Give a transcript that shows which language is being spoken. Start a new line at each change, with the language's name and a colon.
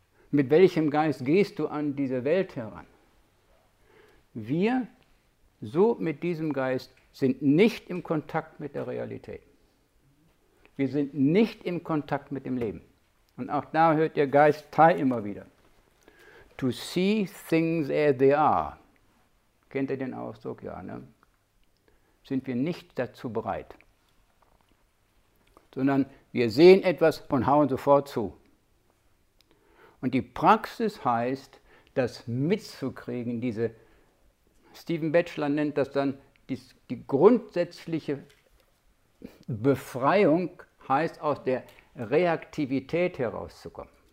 German: Mit welchem Geist gehst du an diese Welt heran? Wir, so mit diesem Geist, sind nicht im Kontakt mit der Realität. Wir sind nicht im Kontakt mit dem Leben. Und auch da hört ihr Geist Thai immer wieder.
English: To see things as they are.
German: Kennt ihr den Ausdruck? Ja, ne? Sind wir nicht dazu bereit. Sondern wir sehen etwas und hauen sofort zu. Und die Praxis heißt, das mitzukriegen, diese, Stephen Batchelor nennt das dann, die grundsätzliche Befreiung heißt, aus der Reaktivität herauszukommen.